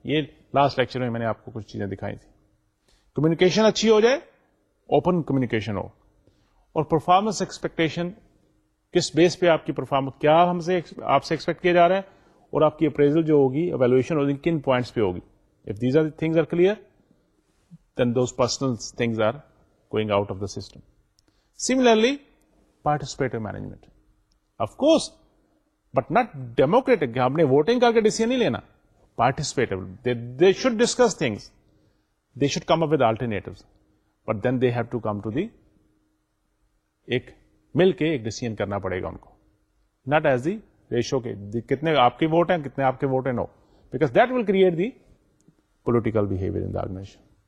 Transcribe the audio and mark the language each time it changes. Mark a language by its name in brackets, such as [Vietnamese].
[Urdu] یہ last lecture میں نے آپ کو کچھ چیزیں دکھائی تھیں. کمیونیکیشن اچھی ہو جائے, اوپن کمیونیکیشن ہو, اور پرفارمنس ایکسپیکٹیشن, کس بیس پہ آپ کی پرفارمنس, کیا ہم سے آپ سے ایکسپیکٹ کیا جا رہا ہے, اور آپ کی اپریزل جو ہوگی ایویلویشن ہوگی کن پوائنٹس پہ ہوگی. [English] If these are the things are clear then those personal things are going out of the system. Similarly participative management of course but not democratic. [Urdu] آپ نے ووٹنگ کر کے ڈیسیزن نہیں لینا, participative. [English] they should discuss things, they should come up with alternatives, [Urdu] but then they have to come to the ایک مل کے ایک ڈیسیزن کرنا پڑے گا ان کو, ناٹ ایز دی ریشو کے کتنے آپ کے ووٹ ہیں کتنے آپ کے ووٹ ہیں, نو, because that will create the political behaviour in the organization.